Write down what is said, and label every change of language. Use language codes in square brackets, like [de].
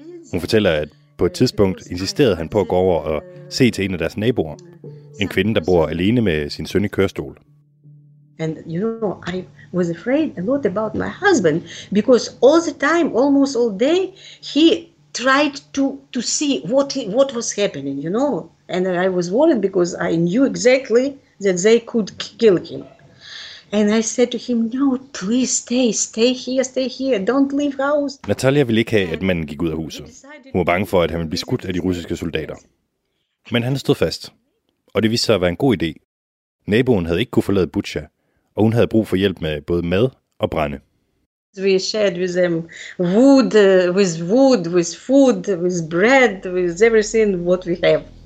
[da] Hun fortæller, at på et tidspunkt insisterede han på at gå over og se til en af deres naboer, en kvinde, der bor alene med sin søn i kørestol. [en] And you know, I was afraid a lot about my husband, because all the time, almost all day, he tried to see what was happening, you know. And I was worried because I knew exactly that they could kill him. And I said to him, no, please stay here, don't leave house. [da] Natalia ville ikke have, at manden gik ud af huset. Hun var bange for, at han ville blive skudt af de russiske soldater. Men han stod fast, og det viste sig at være en god idé. Naboen havde ikke kunne forlade Bucha, og hun havde brug for hjælp med både mad og brænde. [en] We shared with them wood, with food, with bread, with everything what we have.